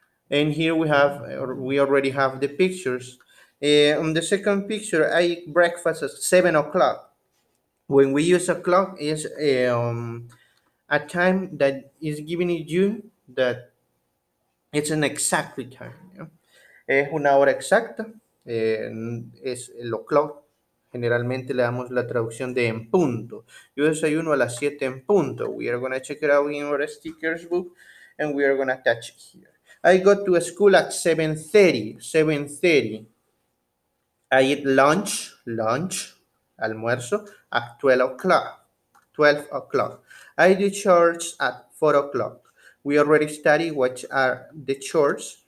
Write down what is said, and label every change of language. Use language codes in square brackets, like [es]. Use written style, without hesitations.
[en] And here we have, or we already have the pictures. On the second picture, I eat breakfast at 7 o'clock. When we use a clock, is a time that is giving you that it's an exact time. [es] Yeah? Es una hora exacta. Es el clock. Generalmente le damos la traducción de en punto. Yo desayuno a las 7 en punto. [en] We are going to check it out in our stickers book. And we are going to attach it here. I go to school at 7:30. 7:30. I eat lunch. Lunch. Almuerzo at 12 o'clock. 12 o'clock. I do chores at 4 o'clock. We already studied what are the chores.